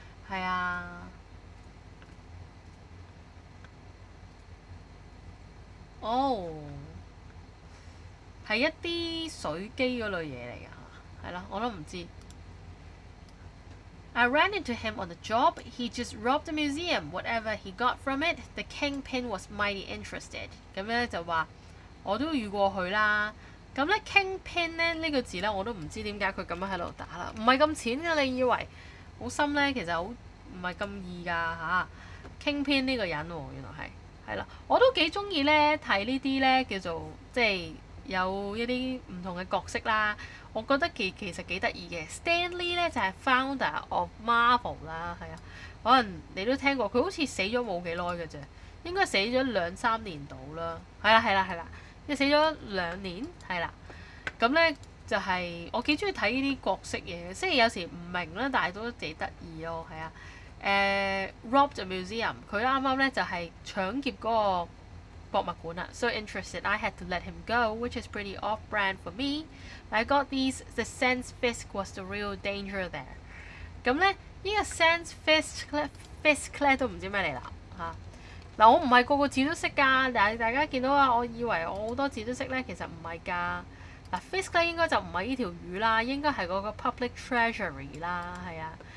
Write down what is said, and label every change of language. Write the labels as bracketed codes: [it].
[yue] 係啊，哦，係一啲水機嗰類嘢嚟㗎，係啦，我都唔知。 [en] I ran into him on the job. He just robbed the museum. Whatever he got from it, the kingpin was mighty interested. [yue] 咁咧就話，我都遇過佢啦。咁咧 ，kingpin 咧呢個字咧，我都唔知點解佢咁樣喺度打啦，唔係咁淺嘅，你以為好深咧，其實好唔係咁易噶嚇。 kingpin 呢個人喎，原來係啦，我都幾中意咧睇呢啲咧叫做即係有一啲唔同嘅角色啦。我覺得其實幾得意嘅 ，Stanley 咧就係 [en] founder of Marvel [yue] 啦，係啊，可能你都聽過，佢好似死咗冇幾耐嘅啫，應該死咗兩三年到啦，係啦。即死咗兩年，係啦。咁咧就係、是、我幾中意睇呢啲角色嘢，雖然有時唔明啦，但係都幾得意咯，係啊。 [en] Robbed a museum， [yue] 佢啱啱咧就係、是、搶劫嗰個Bokmakuna. [en] So interested, I had to let him go, which is pretty off-brand for me. But I got these, the Sense Fisk was the real danger there. [yue] 咁呢，呢個 Sense Fisk 呢都唔知咩嚟啦。嗱，我唔係個個字都識㗎，但係大家見到啊，我以為我好多字都識呢，其實唔係㗎。嗱 ，fisk 應該就唔係呢條魚啦，應該係嗰個 public treasury 啦，係啊。